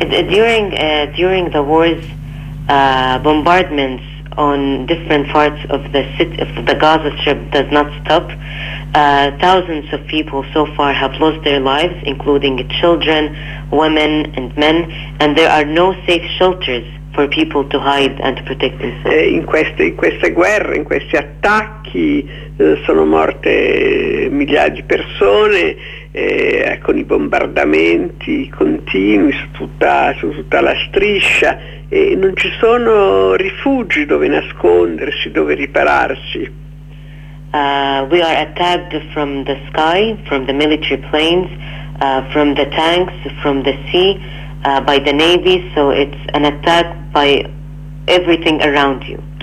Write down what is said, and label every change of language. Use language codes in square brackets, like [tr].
[en] During during the wars, bombardments on different parts of the city, of the Gaza Strip, does not stop. Thousands of people so far have lost their lives, including children, women and men, and there are no safe shelters for people to hide and to protect themselves. [it] In queste guerre, in questi attacchi, sono morte migliaia di persone, con i bombardamenti continui su tutta la striscia, e non ci sono rifugi dove nascondersi, dove ripararsi. [en] We are attacked from the sky, from the military planes, from the tanks, from the sea, by the navy, so it's an attack by everything around you.